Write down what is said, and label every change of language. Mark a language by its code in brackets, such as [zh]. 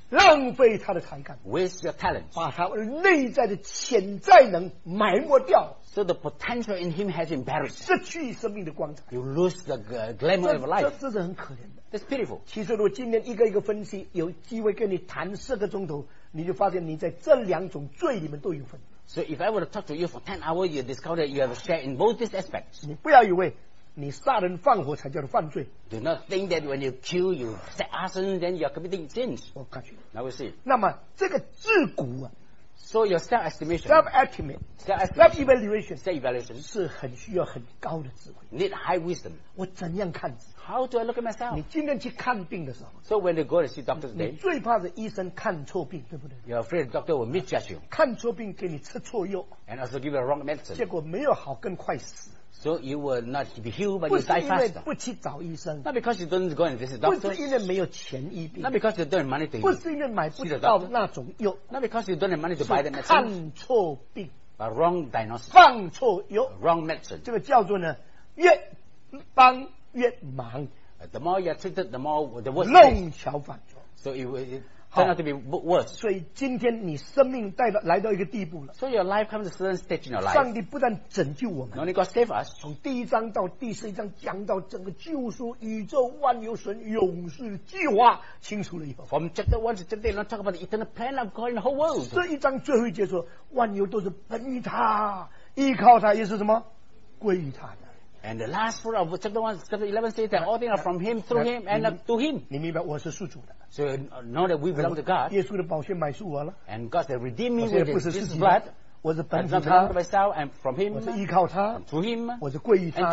[zh] 浪费他的才干 [en] Waste your talent [zh] 把他内在的潜在能埋没掉 [en] So the potential in him has been buried. [zh] 失去生命的光彩。 [en] You lose the glamour of life. [zh] 这是很可怜的。 [en] That's pitiful. [zh] 其实我今天一个一个分析，有机会跟你谈四个钟头，你就发现你在这两种罪里面都有份。 [en] So if I were to talk to you for 10 hours, you discover that you have a share in both these aspects. [zh] 你不要以为你杀人放火才叫做犯罪。 [en] Do not think that when you kill, you set arson, then you are committing sins. Okay. Now we see. [zh] 那么这个自古啊。 [en] So your self-estimation, self-evaluation, self-evaluation [zh] 是很需要很高的智慧。 [en] Need high wisdom. [zh] 我怎样看自己？ [en] How do I look at myself? [zh] 你今天去看病的时候， [en] So when you go to see doctor today, [zh] 你最怕是医生看错病，对不对？ [en] You're afraid the doctor will misjudge you. [zh] 看错病给你吃错药， [en] and also give you the wrong medicine. [zh] 结果没有好更快死。 [en] So you will not be healed, but you die faster. [zh] 不是因为不去找医生。 [en] Not because you don't go and visit doctor. [zh] 不是因为没有钱医病。 [en] Not because you don't have money to. [zh] 不是因为买不到那种药。 [en] Not because you don't have money to buy the medicine. [zh] 看错病。 [en] But wrong diagnosis. [zh] 放错药。 [en] Wrong medicine. [zh] 这个叫做呢，越帮越忙。 [en] The more you're treated, the more the worse. [zh] 弄巧反拙。 [en] So it will. Turn out to be worse. [zh] 所以今天你生命带到来到一个地步了。 [en] So your life comes to a certain stage in your life. [zh] 上帝不但拯救我们 [en] ，Only God save us. [zh] 从第一章到第十一章讲到整个救赎、宇宙万有神永世计划清楚了以后 [en] ，From chapter one to chapter eight, talk about the eternal plan of God in the whole world. [zh] 这一章最后一节说，万有都是本于他，依靠他，也是什么，归于他的。 [en] And the last verse of chapter 1, chapter 11 says that all things are from him, through him, and to him. [zh] 你明白我是属主的。 [en] So know that we belong to God. [zh] 耶稣的宝血买赎我了。 [en] And God has redeemed me with his blood. [zh] 我是本于他。 [en] And not belong to myself, and from him. [zh] 我是依靠他。 [en] To him. [zh] 我是归于他。